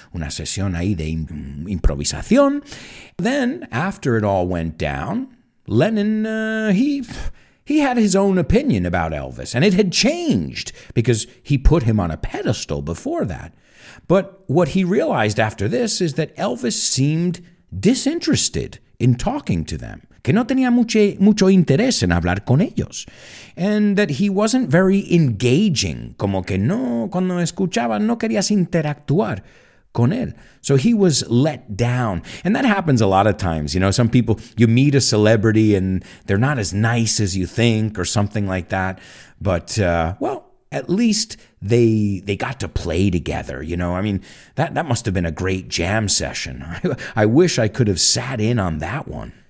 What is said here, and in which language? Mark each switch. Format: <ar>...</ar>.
<es>Una sesión ahí de improvisación.</es> <en>Then, after it all went down, Lennon, he had his own opinion about Elvis, and it had changed because he put him on a pedestal before that. But what he realized after this is that Elvis seemed disinterested in talking to them.</en> <es>Que no tenía mucho interés en hablar con ellos.</es> <en>And that he wasn't very engaging.</en> <es>Como que no, cuando escuchaba, no querías interactuar con él.</es> <en>So he was let down. And that happens a lot of times. You know, some people, you meet a celebrity and they're not as nice as you think or something like that. But, well, at least they got to play together. You know, I mean, that must have been a great jam session. I wish I could have sat in on that one.</en>